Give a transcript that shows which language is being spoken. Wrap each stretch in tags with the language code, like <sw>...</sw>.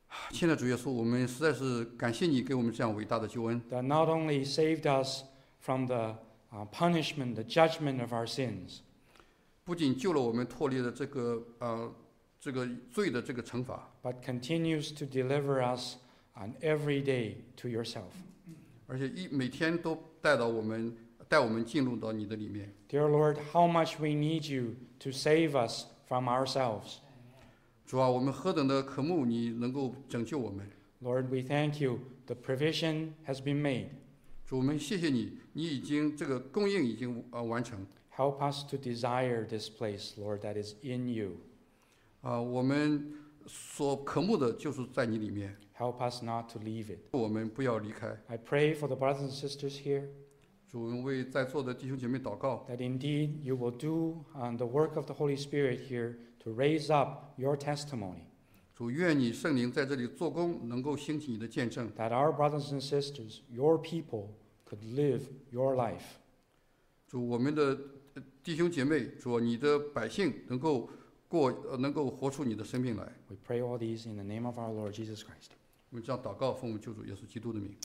<zh>亲爱的主耶稣，我们实在是感谢你给我们这样伟大的救恩。</zh> <en>That not only saved us from the punishment, the judgment of our sins,</en> <zh>不仅救了我们脱离了这个罪的这个惩罚，</zh> <en>but continues to deliver us on every day to yourself.</en> <zh>而且每天都带我们进入到你的里面。</zh> <en>Dear Lord, how much we need you to save us from ourselves.</en> <zh>主啊，我们何等的渴慕你能够拯救我们。</zh> <en>Lord, we thank you. The provision has been made.</en> <zh>主，我们谢谢你，你已经这个供应已经完成。</zh> <en>Help us to desire this place, Lord, that is in you.</en> <zh>我们所渴慕的就是在你里面。</zh> <en>Help us not to leave it.</en> <zh>我们不要离开。</zh> <en>I pray for the brothers and sisters here.</en> <zh>主，我们为在座的弟兄姐妹祷告。</zh> <en>That indeed you will do the work of the Holy Spirit here. To raise up your testimony.</en> <zh>主，愿你圣灵在这里做工，能够兴起你的见证。</zh> <en>That our brothers and sisters, your people, could live your life.</en> <zh>主，我们的弟兄姐妹，主，你的百姓能够活出你的生命来。</zh> <en>We pray all these in the name of our Lord Jesus Christ.</en> <zh>我们这样祷告，奉我们救主耶稣基督的名。</zh>